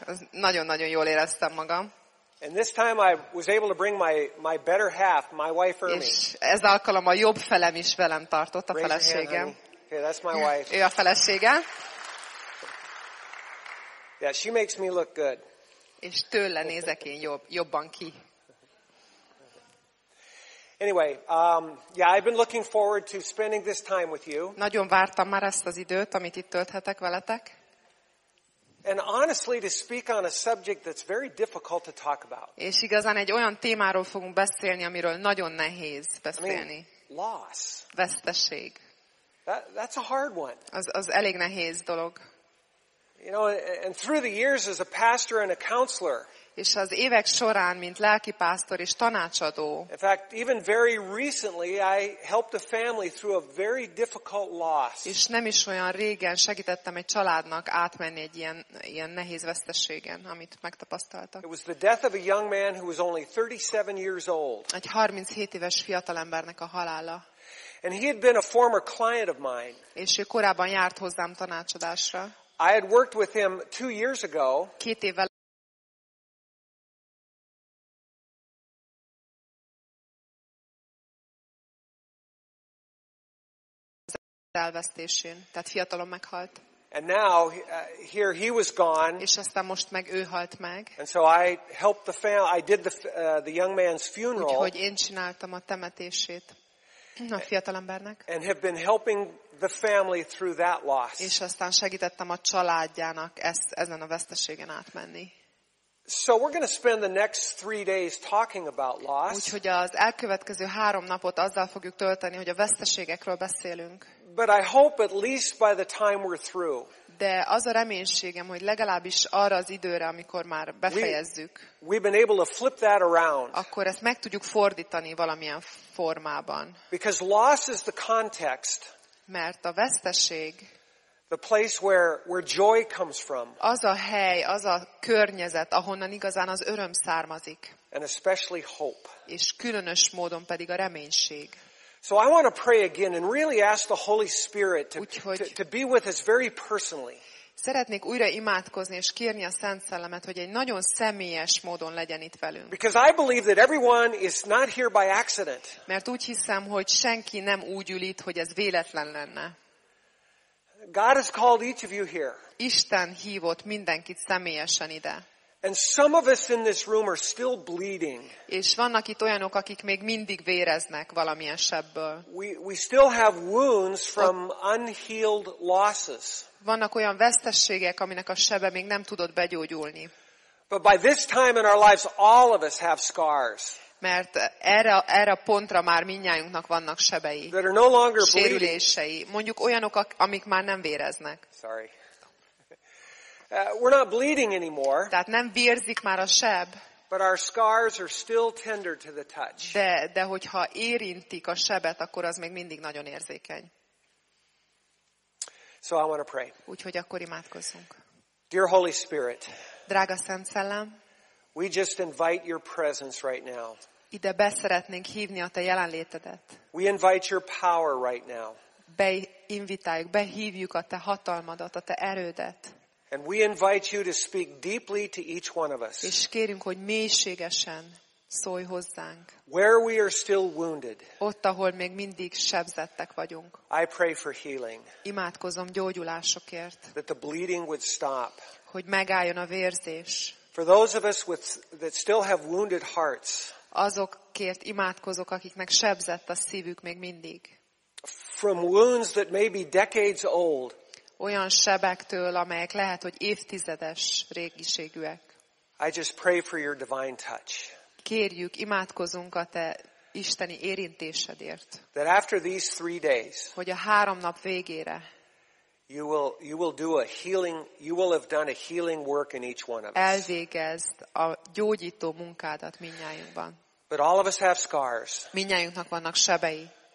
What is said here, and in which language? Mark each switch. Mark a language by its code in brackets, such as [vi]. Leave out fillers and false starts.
[hu] Nagyon-nagyon jól éreztem magam. [en] And this time I was able to bring my better half, my wife Ermi. [hu] És ez alkalom a jobb felem is velem tartott, a feleségem. [en] Okay, that's my wife. [hu] Ő a feleségem. [en] Yeah, she makes me look good. [hu] És tőle nézek én jobban ki. [en] Anyway, I've been looking forward to spending this time with you. [hu] Nagyon vártam már ezt az időt, amit itt tölthetek veletek. [en] And honestly, to speak on a subject that's very difficult to talk about. [hu] És igazán egy olyan témáról fogunk beszélni, amiről nagyon nehéz beszélni. [en] I mean, loss. [hu] Veszteség. [en] That's a hard one. [hu] Az elég nehéz dolog. [en] You know, and through the years as a pastor and a counselor. [hu] És az évek során, mint lelki pásztor és tanácsadó. [en] In fact, even very recently, I helped a family through a very difficult loss. [hu] És nem is olyan régen segítettem egy családnak átmenni egy ilyen nehéz veszteségen, amit megtapasztaltak. [en] It was the death of a young man who was only 37 years old. [hu] Egy 37 éves fiatalembernek a halála. [en] And he had been a former client of mine. [hu] És ő korábban járt hozzám tanácsadásra. [en] I had worked with him 2 years ago. [hu] Két évvel. Elvesztésén, tehát fiatalon meghalt. [en] And now here he was gone. [hu] És aztán most meg ő halt meg. [en] And so I helped the family. I did the young man's funeral. [hu] Úgyhogy én csináltam a temetését a fiatalembernek. [en] And have been helping the family through that loss. [hu] És aztán segítettem a családjának ezen a veszteségen átmenni. [en] So we're going to spend the next 3 days talking about loss. [hu] Úgyhogy az elkövetkező 3 napot azzal fogjuk tölteni, hogy a veszteségekről beszélünk. [en] But I hope at least by the time we're through. [hu] De az a reménységem, hogy legalábbis arra az időre, amikor már befejezzük. [en] We've been able to flip that around. [hu] Akkor ezt meg tudjuk fordítani valamilyen formában. [en] Because loss is the context. [hu] Mert a veszteség. [en] The place where joy comes from. [hu] Az a hely, az a környezet, ahonnan igazán az öröm származik. [en] And especially hope. [hu] És különös módon pedig a reménység. [en] So I want to pray again and really ask the Holy Spirit to be with us very personally. [hu] Szeretnék újra imádkozni és kérni a Szent Szellemet, hogy egy nagyon személyes módon legyen itt velünk. [en] Because I believe that everyone is not here by accident. [hu] Mert úgy hiszem, hogy senki nem úgy ül itt, hogy ez véletlen lenne. [en] God has called each of you here. [hu] Isten hívott mindenkit személyesen ide. [en] And some of us in this room are still bleeding. [hu] És vannak itt olyanok, akik még mindig véreznek valamilyen sebből. [en] We still have wounds from unhealed losses. [hu] Vannak olyan veszteségek, aminek a sebe még nem tudott begyógyulni. [en] But by this time in our lives, all of us have scars. [hu] Mert erre a pontra már mindnyájunknak vannak sebei. [en] That are no longer bleeding. [hu] Sérülései, mondjuk olyanok, amik már nem véreznek. [en] Sorry. We're not bleeding anymore. [hu] Tehát nem vérzik már a seb. [en] But our scars are still tender to the touch. [hu] De hogyha érintik a sebet, akkor az még mindig nagyon érzékeny. [en] So I want to pray. [hu] Úgyhogy akkor imádkozzunk. [en] Dear Holy Spirit. [hu] Drága Szent Szellem. [en] We just invite your presence right now. [hu] Ide beszeretnénk hívni a te jelenlétedet. [en] We invite your power right now. [hu] Beinvitáljuk, behívjuk a te hatalmadat, a te erődet. [en] And we invite you to speak deeply to each one of us. [hu] És kérünk, hogy mélységesen szólj hozzánk. [en] Where we are still wounded. [hu] Ott, ahol még mindig sebzettek vagyunk. [en] I pray for healing. [hu] Imádkozom gyógyulásokért. [en] That the bleeding would stop. [hu] Hogy megálljon a vérzés. [en] For those of us that still have wounded hearts. [hu] Azokért imádkozok, akiknek sebzett a szívük még mindig. [en] From wounds that may be decades old. [hu] Olyan sebektől, amelyek lehet, hogy évtizedes régiségűek. [en] I just pray for your divine touch. [hu] Kérjük, imádkozunk a te isteni érintésedért. [en] That after these 3 days. [hu] Hogy a 3 nap végére. [en] You will have done a healing work in each one of us. [hu] Elvégezd a gyógyító munkádat mindnyájunkban. [en] But all of us have scars. [hu] Mindnyájunknak vannak sebei.